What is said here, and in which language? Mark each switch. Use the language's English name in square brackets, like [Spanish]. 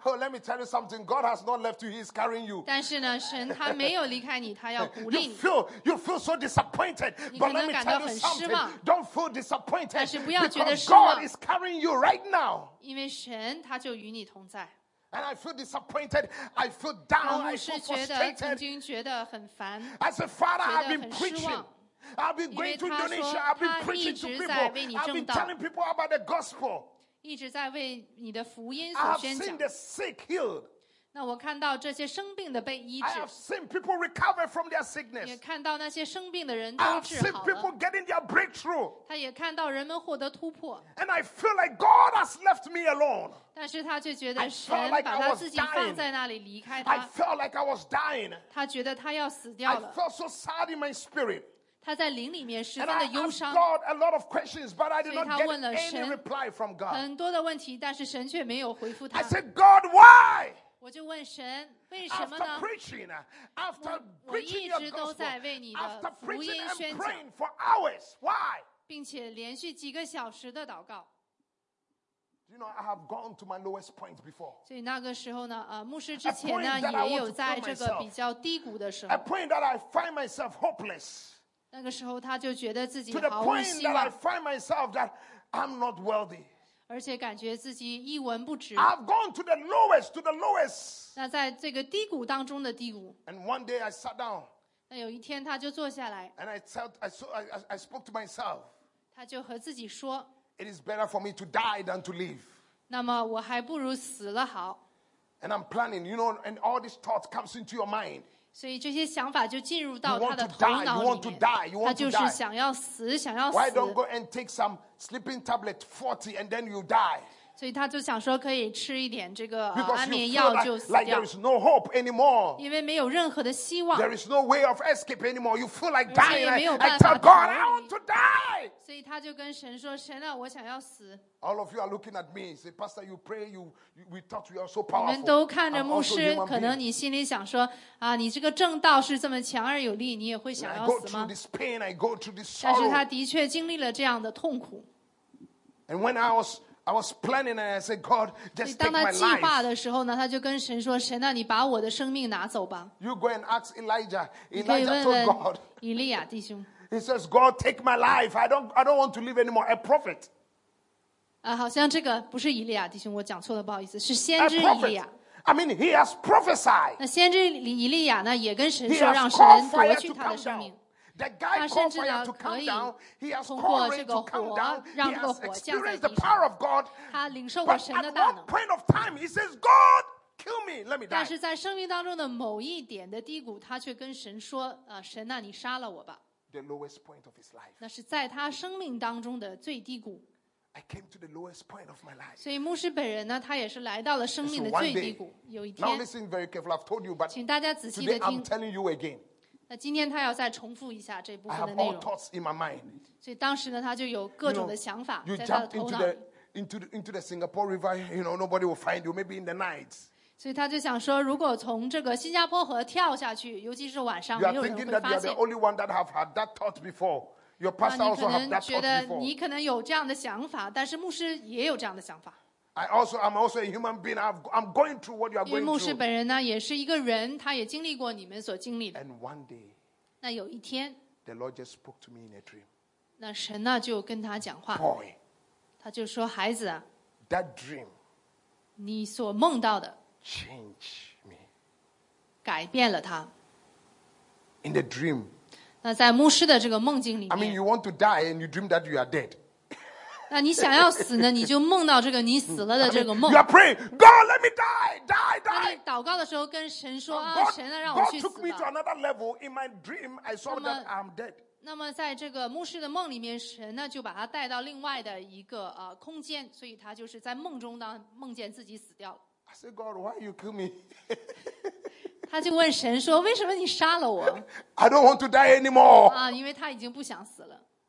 [English] Oh, oh, let me tell you something, God has not left you, he's carrying you. [Chinese] 但是呢，神他没有离开你，他要鼓励你。 [English] You feel so disappointed, but let me tell you something, don't feel disappointed. [Chinese] 但是不要觉得失望。 [English] Because God is carrying you right now. [Chinese] 因为神他就与你同在。 [English] And I feel disappointed, I feel down, I feel frustrated. I said, Father, I've been preaching. I've been going to Indonesia, I've been preaching to people. I've been telling people about the gospel. I've seen the sick healed. [Chinese] 那我看到这些生病的被医治。 [English] I have seen people recover from their sickness. [Chinese] 也看到那些生病的人都治好了。 [English] I have seen people getting their breakthrough. [Chinese] 他也看到人们获得突破。And [English] I feel like God has left me alone. [Chinese] 但是他却觉得神把他自己放在那里离开他。 [English] I felt like I was dying. [Chinese] 他觉得他要死掉了。 [English] I felt so sad in my spirit. [Chinese] 他在灵里面十分的忧伤。 [English] And I asked God a lot of questions, but I did not get any reply from God. [Chinese] 很多的问题，但是神却没有回复他。 [English] I said, God, why? [Chinese] 我就问神，为什么呢？ [English] After preaching, after preaching your gospel, after preaching and praying for hours, why? [Chinese] 并且连续几个小时的祷告。 [English] You know, I have gone to my lowest point before. [Chinese] 所以那个时候呢， 牧师之前呢，也有在这个比较低谷的时候。 [English] A point that I find myself hopeless. [Chinese] 那个时候他就觉得自己毫无希望。 [English] To the point that I find myself that I'm not worthy. [Chinese] 而且感觉自己一文不值。 [English] I've gone to the lowest, to the lowest. [Chinese] 那在这个低谷当中的低谷。 [English] And one day I sat down. [Chinese] 那有一天他就坐下来。 [English] And I spoke to myself. [Chinese] 他就和自己说。 [English] It is better for me to die than to live. [Chinese] 那么我还不如死了好。 [English] And I'm planning, you know, and all these thoughts comes into your mind. [Chinese] 所以这些想法就进入到他的头脑里面。 [English] You want to die, you want to die. [Chinese] 他就是想要死，想要死。 [English] Why don't go and take some sleeping tablet 40 and then you die? [Chinese] 所以他就想说可以吃一点这个安眠药就死掉。 [English] Like there is no hope anymore. [Chinese] 因为没有任何的希望。 [English] There is no way of escape anymore. You feel like dying. [Chinese] 而且也没有办法逃离。 [English] I tell God, I want to die. [Chinese] 所以他就跟神说，神啊，我想要死。 [English] All of you are looking at me. Say, Pastor, you pray. We thought you are so powerful. [Chinese] 你们都看着牧师，可能你心里想说，啊，你这个正道是这么强而有力，你也会想要死吗？ [English] I go through this pain. I go through this sorrow. [Chinese] 但是他的确经历了这样的痛苦。 [English] And when I was planning and I said, God, just take my life. [Chinese] 当他计划的时候呢，他就跟神说，神啊，你把我的生命拿走吧。 [English] You go and ask Elijah. Elijah told God. [Chinese] 以利亚弟兄。 [English] He says, God, take my life. I don't want to live anymore. A prophet. [Chinese] 啊，好像这个不是以利亚弟兄，我讲错了，不好意思，是先知以利亚。 [English] I mean, he has prophesied. [Chinese] 那先知以利亚呢，也跟神说，让神夺去他的生命。 [English] The guy called fire to come down. He has called rain to come down. He has experienced the power of God. But at one point of time, he says, "God, kill me, let me die." [Chinese] 但是在生命当中的某一点的低谷，他却跟神说：“啊，神啊，你杀了我吧。” [English] The lowest point of his life. [Chinese] 那是在他生命当中的最低谷。 [English] I came to the lowest point of my life. [Chinese] 所以牧师本人呢，他也是来到了生命的最低谷。有一天 [English] ，Now listen very carefully. I've told you, but [Chinese] 请大家仔细的听。 [English] Today I'm telling you again. [Chinese] 那今天他要再重复一下这部分的内容。所以当时呢，他就有各种的想法在他的头脑里。 [English] Into the Singapore River, you know, nobody will find you. Maybe in the night. [Chinese] 所以他就想说，如果从这个新加坡河跳下去，尤其是晚上，没有人会发现。 [English] You are thinking that you are the only one that have had that thought before. Your pastor also have that thought before. [Chinese] 你可能觉得你可能有这样的想法，但是牧师也有这样的想法。 [English] I'm also a human being. I'm going through what you are going through. [Chinese] 牧师本人呢，也是一个人，他也经历过你们所经历的。 [English] And one day, [Chinese] 那有一天 [English] ，the Lord just spoke to me in a dream. [Chinese] 那神呢就跟他讲话。 [English] Boy, [Chinese] 他就说孩子 [English] ，that dream, [Chinese] 你所梦到的 [English] ，changed me, [Chinese] 改变了他。 [English] In the dream, [Chinese] 那在牧师的这个梦境里面 [English] ，I mean, you want to die and you dream that you are dead. [Chinese] 那你想要死呢？你就梦到这个你死了的这个梦。 [English] You are praying, God, let me die, die, die. [Chinese] 你祷告的时候跟神说啊，神啊，让我去死吧。 [English] God took me to another level. In my dream, I saw that I'm dead. [Chinese] 那么在这个牧师的梦里面，神呢就把他带到另外的一个空间，所以他就是在梦中当梦见自己死掉了。 [English] I said, God, why you kill me? [Chinese] 他就问神说，为什么你杀了我 [English] ？I don't want to die anymore. [Chinese] 啊，因为他已经不想死了。